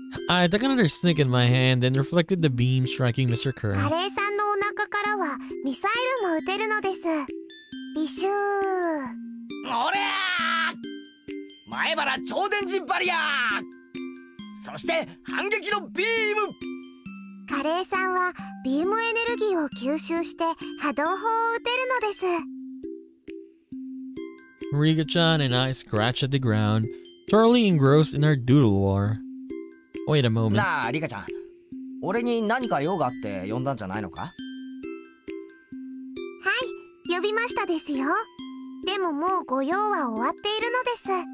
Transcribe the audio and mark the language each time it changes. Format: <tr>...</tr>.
<en>I took another stick in my hand and reflected the beam striking Mr. Curry.</en> <ja>カレーさんのお腹からはミサイルも撃てるのです。ビシュー。おりゃー。前原超電磁バリアー。そして反撃のビーム。カレーさんはビームエネルギーを吸収して波動砲を撃てるのです。</ja> <en>Rika-chan and I scratch at the ground, thoroughly engrossed in our doodle war. Wait a moment. Nah, Rika-chan.</en> <ja>俺に何か用があって呼んだんじゃないのか? はい、呼びましたですよ。でももうご用は終わっているのです。</ja>